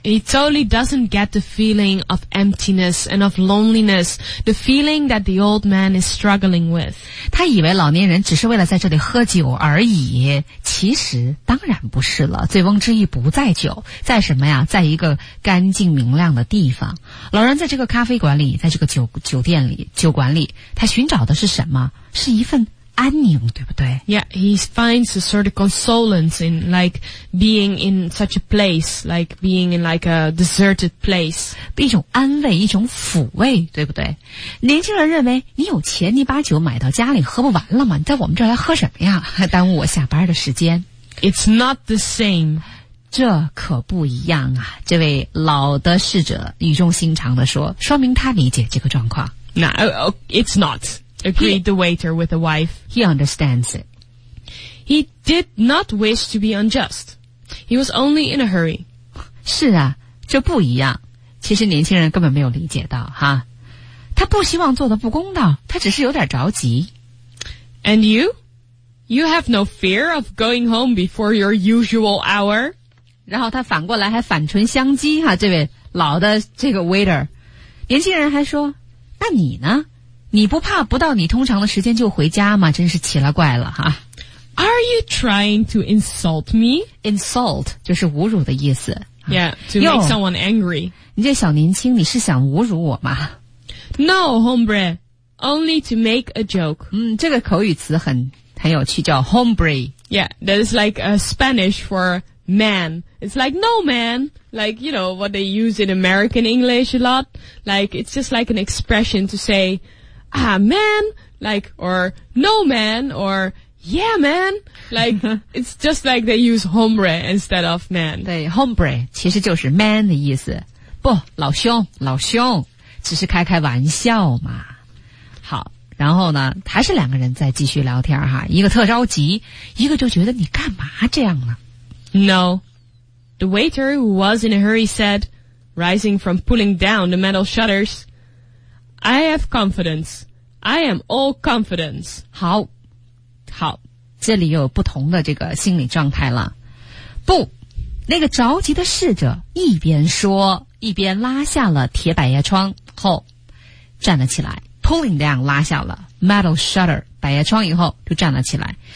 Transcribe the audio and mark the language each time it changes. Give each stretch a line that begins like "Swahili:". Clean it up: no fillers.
English: He totally doesn't get the feeling of emptiness and of loneliness, the feeling that the old man is struggling with.
Chinese: 他以为老年人只是为了在这里喝酒而已。其实当然不是了，醉翁之意不在酒，在什么呀？在一个干净明亮的地方。老人在这个咖啡馆里，在这个酒店里，酒馆里，他寻找的是什么？是一份安宁，对不对？
English: Yeah, he finds a sort of consolence in like being in such a place, like being in like a deserted place.
Chinese: 一种安慰，一种抚慰，对不对？年轻人认为你有钱，你把酒买到家里喝不完了吗？你在我们这儿来喝什么呀？还耽误我下班的时间。
English: It's not the same.
Chinese: 这可不一样啊！这位老的侍者语重心长地说，说明他理解这个状况。
English: No, it's not. agreed the waiter with the wife. He understands it. He did not wish to be unjust. He was only in a hurry.
Chinese: 是啊，这不一样。其实年轻人根本没有理解到哈。他不希望做得不公道，他只是有点着急。
English: And you? You have no fear of going home before your usual hour?
Chinese: 然后他反过来还反唇相讥哈，这位老的这个 waiter。年轻人还说，那你呢？你不怕不到你通常的时间就回家吗？真是奇了怪了哈。
English: Are you trying to insult me?
Chinese: Insult 就是侮辱的意思。
English: Yeah, to make someone angry.
Chinese: 你这小年轻，你是想侮辱我吗？
English: No, hombre, only to make a joke.
Chinese: 嗯，这个口语词很有趣，叫 hombre.
English: Yeah, that is like a Spanish for man. It's like no man, like, you know, what they use in American English a lot. Like, it's just like an expression to say, ah, man, like, or no man, or yeah, man. Like, it's just like they use hombre instead of man.
Chinese: 对 ,hombre, 其实就是 man 的意思。不，老兄，老兄。只是开开玩笑嘛。好，然后呢还是两个人在继续聊天哈，一个特着急，一个就觉得你干嘛这样呢。
English: No, the waiter who was in a hurry said, rising from pulling down the metal shutters, I have confidence, I am all confidence.
Chinese: 好好，这里有不同的这个心理状态了。不，那个着急的侍者一边说一边拉下了铁百叶窗后站了起来， pulling down 拉下了 metal shutter 百叶窗以后就站了起来。